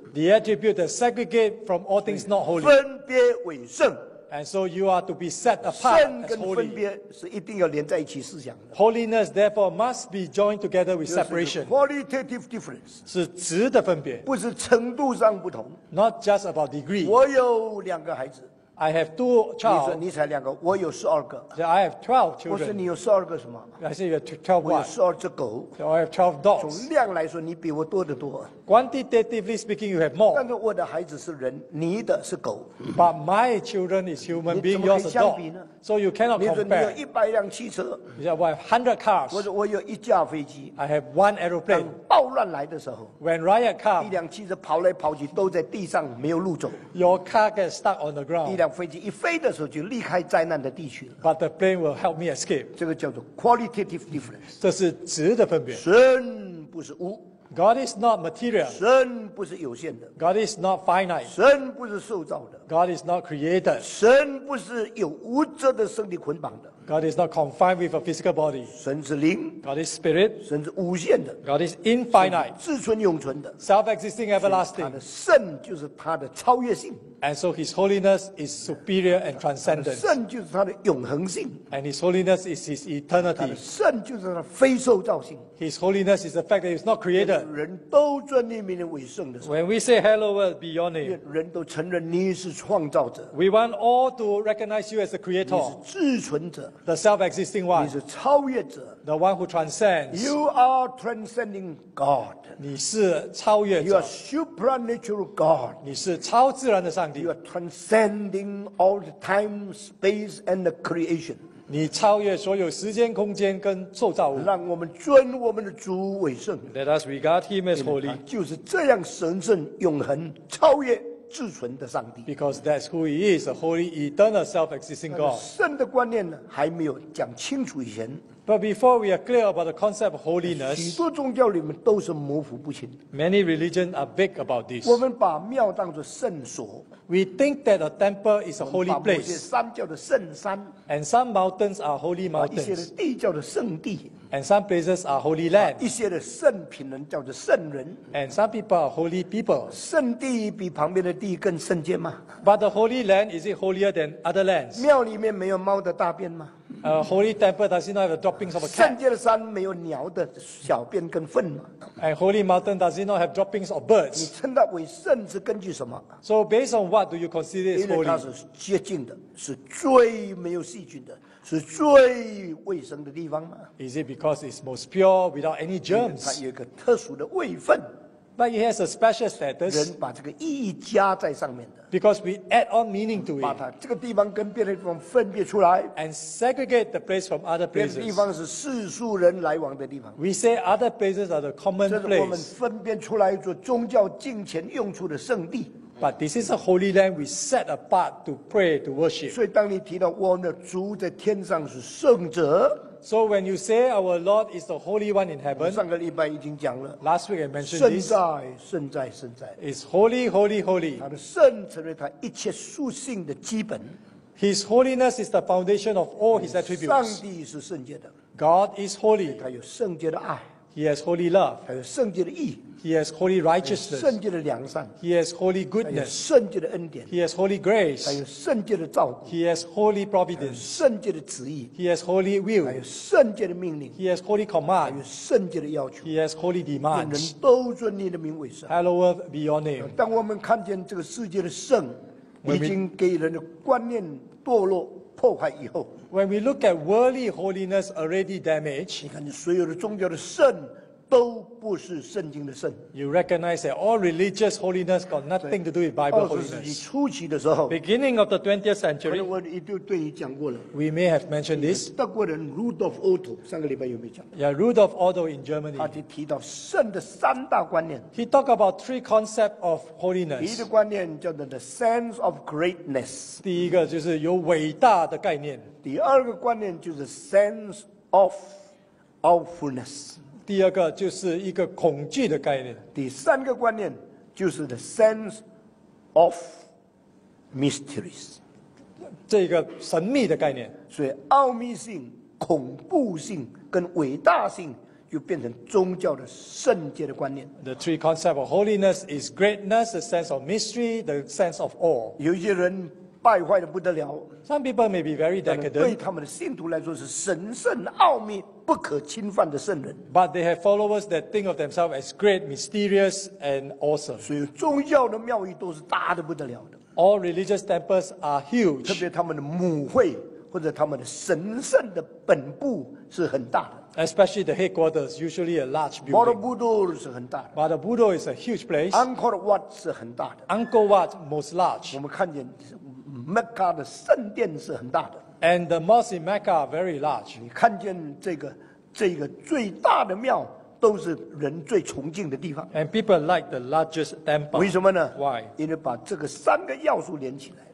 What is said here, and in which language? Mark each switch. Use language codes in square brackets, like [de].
[en] The attribute that segregate from all things not holy. [zh] 分别为圣。 [en] And so you are to be set apart as holy. [zh] 圣跟分别是一定要连在一起思想的。 [en] Holiness therefore must be joined together with separation. [zh] 就是 [en] qualitative difference. [zh] 是质的分别。不是程度上不同。 [en] Not just about degree. [zh] 我有两个孩子。 [en] I have two child. [zh] 你说你才两个，我有十二个。 [en] So I have 12 children. [zh] 我说你有十二个什么？ [en] I say you have 12 what? [zh] 我有十二只狗。 [en] So I have 12 dogs. [zh] 从量来说，你比我多得多。 [en] Quantitatively speaking, you have more. [zh] 但是我的孩子是人，你的是狗。 [en] But my children is human being, yours is dog. So you cannot compare. [zh] 你说你有一百辆汽车。 [en] You say I have 100 cars. [zh] 我说我有一架飞机。 [en] I have one aeroplane. [zh] 当暴乱来的时候。 [en] When riot comes. [zh] 一辆汽车跑来跑去，都在地上没有路走。 [en] Your car gets stuck on the ground. [zh] 一辆飞机一飞的时候就离开灾难的地区了。 [en] But the plane will help me escape. [zh] 这个叫做 [en] qualitative difference. [zh] 这是质的分别。神不是物。 [en] God is not material. [zh] 神不是有限的。 [en] God is not finite. [zh] 神不是受造的。 [en] God is not created. [zh] 神不是有物质的身体捆绑的。 [en] God is not confined with a physical body. [zh] 神是灵。 [en] God is spirit. [zh] 神是无限的。 [en] God is infinite. [zh] 自存永存的。 [en] Self-existing everlasting. [zh] 他的圣就是他的超越性。 [en] And so his holiness is superior and transcendent. [zh] 圣就是他的永恒性。 [en] And his holiness is his eternity. [zh] 他的圣就是他的非受造性。 [en] His holiness is the fact that he's not created. [zh] 人都尊你名为圣的时候。 [en] When we say hallowed be your name. [zh] 人都承认你是创造者。 [en] We want all to recognize you as the creator. [zh] 你是自存者。 [en] The self-existing one. [zh] 你是超越者。 [en] The one who transcends. You are transcending God. [zh] 你是超越者。 [en] You are supernatural God. [zh] 你是超自然的上帝。 [en] You are transcending all the time, space, and the creation. [zh] 你超越所有时间、空间跟受造物。让我们尊我们的主为圣。 [en] Let us regard Him as holy. [zh] 就是这样神圣、永恒、超越、至存的上帝。 [en] Because that's who He is, a holy, eternal, self-existing God. [zh] 圣的观念还没有讲清楚以前。 [en] But before we are clear about the concept of holiness, [zh] 许多宗教里面都是模糊不清。 [en] Many religions are vague about this. [zh] 我们把庙当作圣所。 [en] We think that a temple is a holy place. [zh] 我们把某些山叫做圣山。 [en] And some mountains are holy mountains. [zh] 一些的地叫做圣地。 [en] And some places are holy land. [zh] 一些的圣品人叫做圣人。 [en] And some people are holy people. [zh] 圣地比旁边的地更圣洁吗？ [en] But the holy land, is it holier than other lands? [zh] 庙里面没有猫的大便吗？ [en] Holy temple does it not have the droppings of a cat? [zh] 圣洁的山没有鸟的小便跟粪吗？ [en] And holy mountain does it not have droppings of birds? [zh] 你称它为圣是根据什么？ [en] So based on what do you consider it holy? [zh] 因为它是洁净的，是最没有细菌的，是最卫生的地方吗？ [en] Is it because it's most pure without any germs? [zh] 它有一个特殊的位分。 [en] But it has a special status. [zh] 人把这个意义加在上面的。 [en] Because we add on meaning to it. [zh] 把它这个地方跟别的地方分别出来。 [en] And segregate the place from other places. [zh] 别的地方是世俗人来往的地方。 [en] We say other places are the common place. [zh] 这是我们分辨出来做宗教敬虔用处的圣地。 [en] But this is a holy land we set apart to pray to worship. [zh] 所以当你提到我们的主在天上是圣者。 [en] So when you say our Lord is the Holy One in heaven, [zh] 上个礼拜已经讲了。 [en] Last week I mentioned this. [zh] 圣在，圣在，圣在。 [en] It's holy, holy, holy. [zh] 他的圣成为他一切属性的基本。 [en] His holiness is the foundation of all his attributes. [zh] 上帝是圣洁的。 [en] God is holy. [zh] 他有圣洁的爱。 [en] He has holy love. [zh] 还有圣洁的义。 [en] He has holy righteousness. [zh] 圣洁的良善。 [en] He has holy goodness. [zh] 还有圣洁的恩典。 [en] He has holy grace. [zh] 还有圣洁的照顾。 [en] He has holy providence. [zh] 还有圣洁的旨意。 [en] He has holy will. [zh] 还有圣洁的命令。 [en] He has holy command. [zh] 还有圣洁的要求。 [en] He has holy demands. [zh] 愿人都尊你的名为圣。 [en] Hallowed be your name. [zh] 当我们看见这个世界的圣已经给人的观念堕落破坏以后。 [en] When we look at worldly holiness already damaged, [zh] 你看你所有的宗教的圣都不是圣经的圣。 [en] You recognize that all religious holiness got nothing to do with Bible holiness. [zh] 二十世纪初期的时候 [en] ，beginning of the 20th century， [zh] 我已经对你讲过了。 [en] We may have mentioned this. [zh] 德国人 Rudolf Otto 上个礼拜有没有讲 [en] ？Yeah, Rudolf Otto in Germany. [zh] 他提到圣的三大观念。 [en] He talked about three concepts of holiness. [zh] 第一个观念叫做 [en] the sense of greatness. [zh] 第一个就是有伟大的概念。第二个观念就是 [en] sense of awfulness。 [zh] 第二个就是一个恐惧的概念。第三个观念就是 [en] the sense of mysteries， [zh] 这个神秘的概念。所以奥秘性、恐怖性跟伟大性就变成宗教的圣洁的观念。 [en] The three concepts of holiness is greatness, the sense of mystery, the sense of awe。 [zh] 有些人败坏的不得了。 [en] Some people may be very decadent。 [zh] 对他们的信徒来说是神圣奥秘。不可侵犯的圣人 [en] but they have followers that think of themselves as great, mysterious, and awesome. [zh] 所以宗教的庙宇都是大的不得了的 [en] All religious temples are huge. [zh] 特别他们的母会或者他们的神圣的本部是很大的 [en] Especially the headquarters, usually a large building. [zh] Borobudur 是很大的 [en] Borobudur is a huge place. [zh] Angkor Wat 是很大的 [en] Angkor Wat most large. [zh] 我们看见 Mecca 的圣殿是很大的。 [en] And the mosque in Mecca are very large. [zh] 你看见这个最大的庙都是人最崇敬的地方。 [en] And people like the largest temple. [zh] 为什么呢 [en] ？Why? [zh] 因为把这个三个要素连起来。